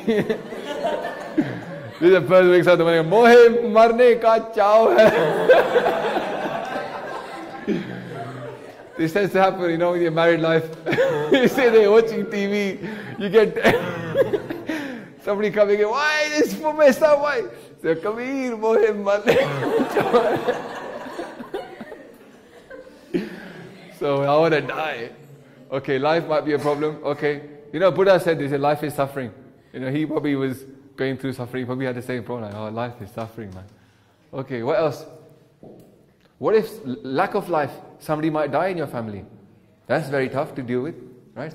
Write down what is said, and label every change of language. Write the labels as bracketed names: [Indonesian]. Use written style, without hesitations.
[English] This is the person who makes out the money. [Punjabi] Mohe marne ka chao hai. [English] This tends to happen, you know, in your married life. You sit there watching TV, you get somebody coming in. Why is this for myself? Why? So come here, [Punjabi] ਮੋਹੇ ਮਰਨੇ ਕਾ ਚਾਓ ਹੈ. [English] So I want to die. Okay, life might be a problem. Okay. You know, Buddha said this, life is suffering. You know, he probably was going through suffering, probably had the same problem, like, oh, life is suffering, man. Okay, what else? What if lack of life, somebody might die in your family? That's very tough to deal with, right?